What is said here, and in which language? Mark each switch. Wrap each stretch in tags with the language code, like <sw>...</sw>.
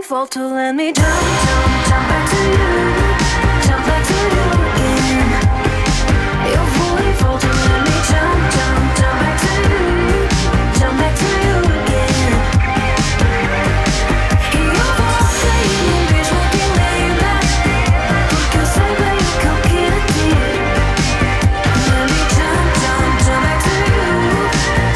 <en>To let me jump, jump, jump back to you. Jump back to you again.</en> <pt>Eu vou e volto.</pt> <en>Let me jump, jump, jump back to you. Jump back to you again.</en> <pt>E eu vou sair no mesmo dilema. Porque eu sei bem o que eu quero ter.</pt> <en>Let me jump, jump, jump back to you.</en>